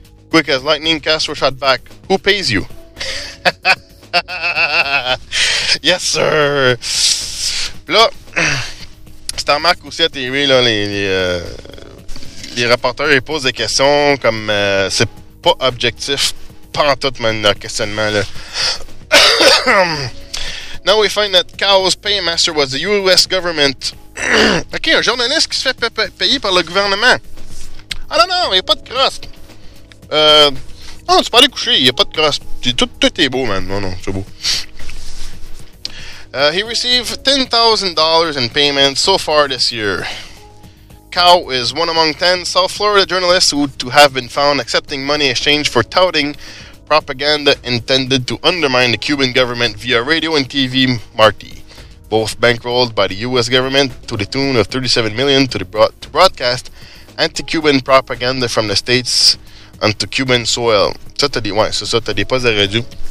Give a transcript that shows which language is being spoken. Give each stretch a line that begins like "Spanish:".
English: Quick as lightning, Castro shot back, "Who pays you?" Yes, sir.
French: Là, c'est en marque aussi à TV, là, les rapporteurs, ils posent des questions comme c'est pas objectif, pas en tout, même, le questionnement, là.
English: Now we find that Cao's paymaster was the U.S. government.
French: OK, un journaliste qui se fait payer par le gouvernement. Ah non, il n'y a pas de crosse. Non, tu peux aller coucher, il n'y a pas de crosse. Tout est beau, man. Non, c'est beau.
English: He received $10,000 in payments so far this year. Cao is one among 10 South Florida journalists who to have been found accepting money exchange for touting propaganda intended to undermine the Cuban government via radio and TV Marti, both bankrolled by the U.S. government to the tune of $37 million to broadcast anti-Cuban propaganda from the States onto Cuban soil.
French: Ça, t'as dit, ouais, ça, t'as dit pas de radio.